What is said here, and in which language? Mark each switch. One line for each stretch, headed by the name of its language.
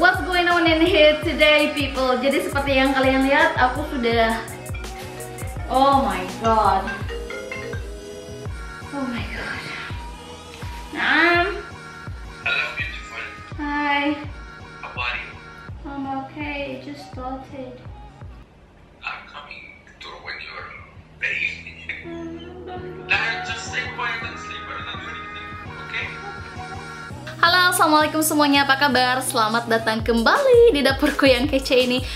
English: What's going on in here today, people?
Indonesian: Jadi seperti yang kalian lihat, aku sudah
English: Oh my god. Naam. Hello, beautiful. Hi. How are you? I'm okay. It just started. I'm coming to when you're ready. Just stay quiet and sleep. I'm not doing anything. Okay?
Indonesian: Halo, assalamualaikum semuanya, apa kabar? Selamat datang kembali di dapurku yang kece ini.